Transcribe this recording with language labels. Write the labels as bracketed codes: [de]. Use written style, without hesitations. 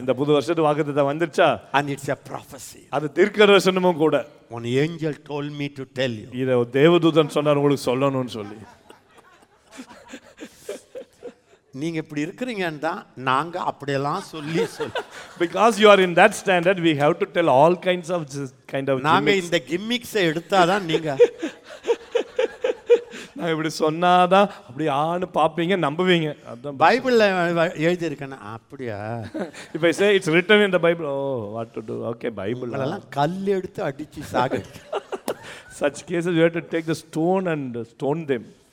[ta] இந்த புது வருஷத்து வாக்குத்தத்தம் வந்துச்சா? [en] And it's a prophecy. [ta] அது தீர்க்கதரிசனமும் கூட. [en] An angel told me to tell you. [ta] இத தேவதூதன் சொன்னார் உங்களுக்கு சொல்லணும்னு சொல்லி. நீங்க இப்படி இருக்கிறீங்கன்னு தான் நாங்க அப்படியெல்லாம் சொல்லி [en] because you are in that standard we have to tell all kinds of this kind of [ta] நாங்க இந்த கிம்மிக்ஸ் எடுத்தாதான் நீங்க நான் இப்படி சொன்னாதான் அப்படி ஆணு பாப்பீங்க நம்புவீங்க அதான் பைபிள்ல எழுதி இருக்கேன்னா அப்படியா [en] if I say it's written in the bible oh what to do okay bible [ta] எல்லாம் கல் எடுத்து அடிச்சு சாக [en] such cases you have to take the stone and stone them.